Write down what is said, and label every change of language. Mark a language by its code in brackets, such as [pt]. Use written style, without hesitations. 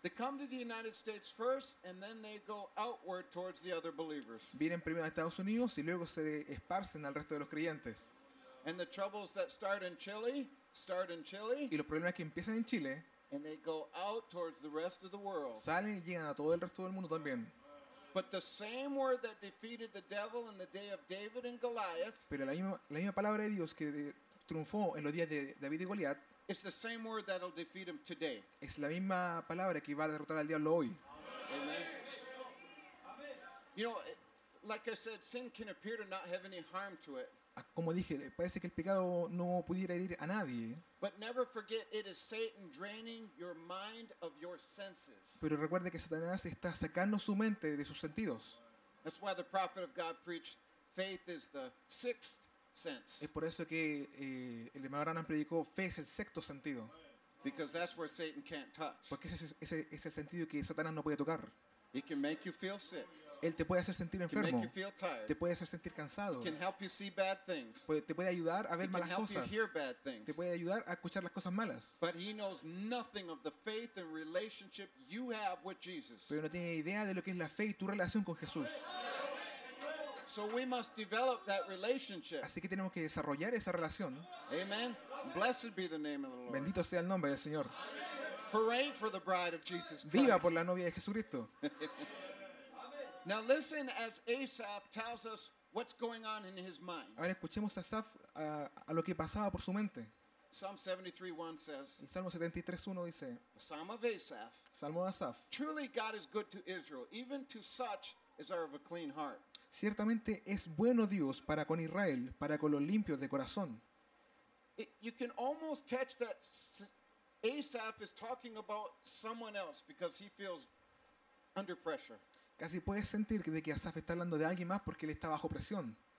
[en] They come to the United States first, and then they go outward towards the other believers. [es] Vienen primero a Estados Unidos y luego se esparcen al resto de los creyentes. [en] And the troubles that start in Chile start in Chile. [es] Y los problemas que empiezan en Chile. [en] And they go out towards the rest of the world. [es] Salen y llegan a todo el resto del mundo también. [en] But the same word that defeated the devil in the day of David and Goliath. [es] Pero la misma palabra de Dios que triunfó en los días de David y Goliat. [en] It's the same word that'll defeat him today. [es] Es la misma palabra que va a derrotar al diablo hoy. [en] Amen. You know, like I said, sin can appear to not have any harm to it. [es] Como dije, parece que el pecado no pudiera herir a nadie. [en] But never forget, it is Satan draining your mind of your senses. [es] Pero recuerde que Satanás está sacando su mente de sus sentidos. [en] That's why the prophet of God preached, faith is the sixth sense. [es] Es por eso que el hermano Branham predicó, fe es el sexto sentido. [en] Because that's where Satan can't touch. [es] Porque ese es el sentido que Satanás no puede tocar. [en] He can make you feel sick. [es] Él te puede hacer sentir enfermo. [en] Can make you feel tired. [es] Te puede hacer sentir cansado. [en] Can help you see bad things. [es] Te puede ayudar a ver [en] can [es] malas [en] help [es] cosas. [en] You hear bad things. [es] Te puede ayudar a escuchar las cosas malas. [en] But he knows nothing of the faith and relationship you have with Jesus. [es] Pero no tiene idea de lo que es la fe y tu relación con Jesús. [en] So we must develop that relationship. [es] Así que tenemos que desarrollar esa relación. [en] Amen. Blessed be the name of the Lord. [es] Bendito sea el nombre del Señor. [en] Hooray for the bride of Jesus Christ. [es] Viva por la novia de Jesucristo. [en] Now listen as Asaph tells us what's going on in his mind. [es] Ahora escuchemos a Asaph a lo que pasaba por su mente. [en] Psalm 73:1 says. [es] El Salmo 73:1 dice. [en] Psalm of Asaph. [es] Salmo de Asaph. [en] Truly God is good to Israel, even to such as are of a clean heart. [es] Ciertamente es bueno Dios para con Israel, para con los limpios de corazón. [en] You can almost catch that Asaph is talking about someone else because he feels under pressure. [es] Casi puedes sentir de que Asaf está hablando de alguien más porque él está bajo presión.